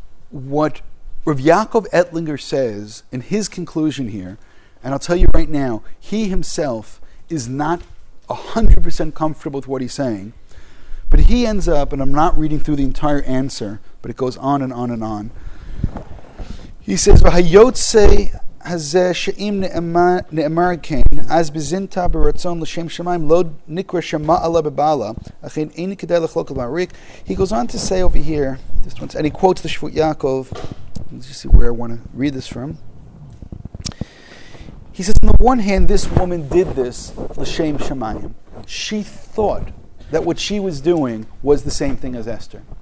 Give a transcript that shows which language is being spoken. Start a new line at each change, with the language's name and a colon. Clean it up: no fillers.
English: What Rav Yaakov Ettlinger says in his conclusion here, and I'll tell you right now, he himself is not 100% comfortable with what he's saying, but he ends up, and I'm not reading through the entire answer, but it goes on and on and on. He says, V'hayotzei
Hebrew: הזה שאם נאמר כן, אז בזינתה ברצון לשם שמיים, לא נקרא שמעלה בבעלה, אכן אין כדאי לחלוק על מעריק.
English: He goes on to say over here, this one, and he quotes the Shvut Yaakov, let's just see where I want to read this from. He says, on the one hand, this woman did this l'shem shamayim. She thought that what she was doing was the same thing as Esther.